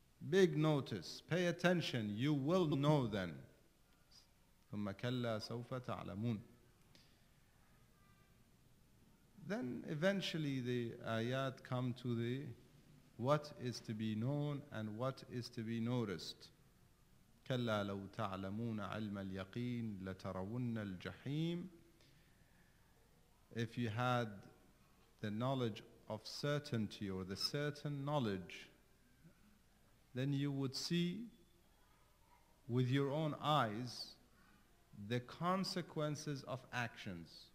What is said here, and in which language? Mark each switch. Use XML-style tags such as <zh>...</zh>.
<en>Big notice, pay attention, you will know then.</en> <ar>ثُمَّ كَلَّا سَوْفَ تَعْلَمُونَ.</ar> <en>Then eventually the ayat come to the what is to be known and what is to be noticed.</en> <ar>كلا لو تعلمون علم اليقين لترون الجحيم.</ar> <en>If you had the knowledge of certainty or the certain knowledge, then you would see with your own eyes the consequences of actions.</en>